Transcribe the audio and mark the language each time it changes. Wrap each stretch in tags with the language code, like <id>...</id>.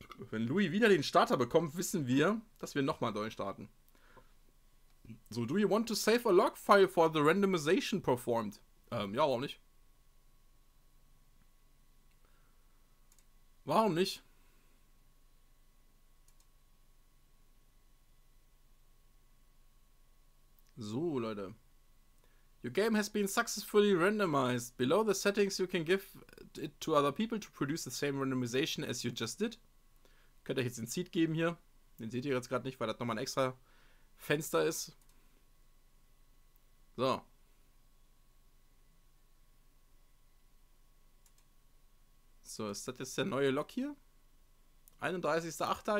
<de>Wenn Louis wieder den Starter bekommt, wissen wir, dass wir nochmal neu starten.</de> <en>So, do you want to save a log file for the randomization performed?</en> <de>Ja, warum nicht? Warum nicht? So, Leute.</de> <en>Your game has been successfully randomized. Below the settings you can give it to other people to produce the same randomization as you just did.</en> <de>Könnt ihr euch jetzt den Seed geben hier. Den seht ihr jetzt gerade nicht, weil das nochmal ein extra Fenster ist. So. So, ist das jetzt der neue Log hier? 31.08.</de>